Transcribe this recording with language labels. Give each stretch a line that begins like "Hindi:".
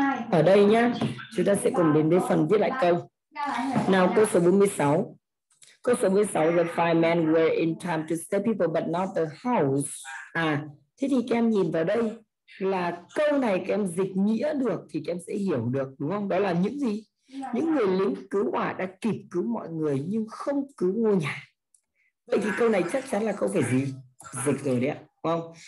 Vietnamese: Ở đây nhá, chúng ta sẽ cùng đến với phần viết lại câu. Nào, câu số 46. Câu số 46,
English: the five men were in time to save people but not the house.
Vietnamese: À, thế thì em nhìn vào đây là câu này em dịch nghĩa được thì em sẽ hiểu được, đúng không? Đó là những gì? Những người lính cứu hỏa đã kịp cứu mọi người nhưng không cứu ngôi nhà. Vậy thì câu này chắc chắn là câu phải gì? Dịch rồi đấy ạ. Không.